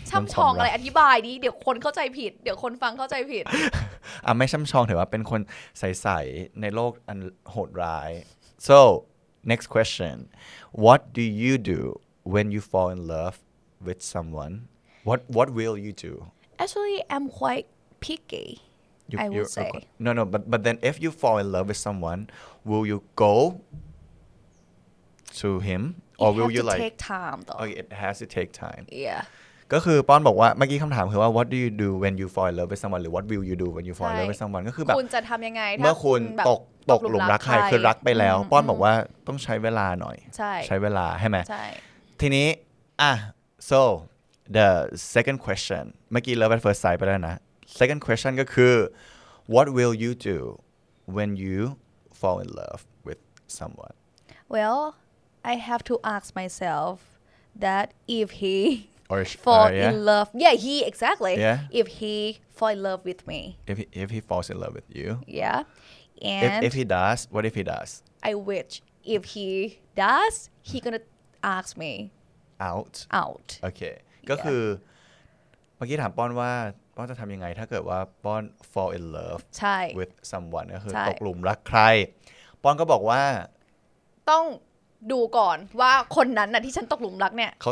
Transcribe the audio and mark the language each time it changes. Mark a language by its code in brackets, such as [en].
[th] ช่ำชองอะไรอธิบายดิเดี๋ยวคนเข้าใจผิดเดี๋ยวคนฟังเข้าใจผิด อ่ะไม่ช่ำชองถือว่าเป็นคนใสๆในโลกอันโหดร้าย [en] so next question what do you doWhen you fall in love with someone, what will you do? Actually, I'm quite picky, I would say. No, but then if you fall in love with someone, will you go to him? Or will you like... It has to take time, though. Okay, it has to take time. Yeah. [th] ก็คือป้อนบอกว่าเมื่อกี้คำถามคือว่า [en] what do you do when you fall in love with someone? [th] หรือ [en] what will you do when you fall in love with someone? [th] ก็คือแบบ คุณจะทำยังไง เมื่อคุณตกหลุมรักใครคือรักไปแล้วป้อนบอกว่าต้องใช้เวลาหน่อย ใช้เวลาใช่ไหม ใช่ ทีนี้อ่ะ [en] so the second question [th] เมื่อกี้ [en] love at first sight [th] ไปแล้วนะ second question ก็คือ [en] what will you do when you fall in love with someone well I have to ask myself that if he or fall in love yeah he exactly yeah. if he fall in love with me if he falls in love with you yeah and if he does what if he does I wish if he does he gonnaask me out okay [th] ก็คือเมื่อกี้ถามป้อนว่าป้อนจะทำยังไงถ้าเกิดว่าป้อน [en] fall in love with someone [th] ก็คือตกหลุมรักใครป้อนก็บอกว่า ต้องดูก่อนว่าคนนั้นน่ะที่ฉันตกหลุมรักเนี่ย